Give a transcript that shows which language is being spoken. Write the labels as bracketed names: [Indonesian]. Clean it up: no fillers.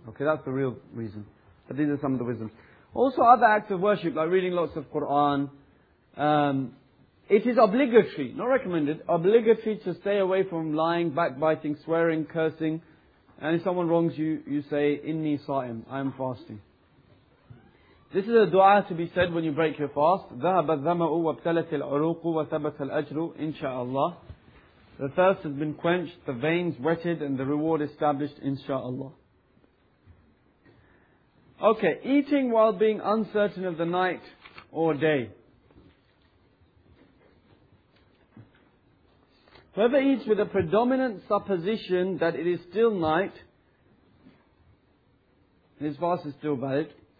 [English] Okay, that's the real reason. But these are some of the wisdom. Also, other acts of worship, like reading lots of Qur'an, it is obligatory, not recommended, obligatory to stay away from lying, backbiting, swearing, cursing. And if someone wrongs you, you say, [Arabic] Inni sa'im, [English] I am fasting. This is a dua to be said when you break your fast. [Arabic] ذَهَبَ الذَّمَأُ وَابْتَلَتِ الْعُرُوقُ وَثَبَتَ الْأَجْرُ inshaAllah. [English] The thirst has been quenched, the veins wetted, and the reward established, inshaAllah. Okay, eating while being uncertain of the night or day. Whoever eats with a predominant supposition that it is still night, his fast is still valid.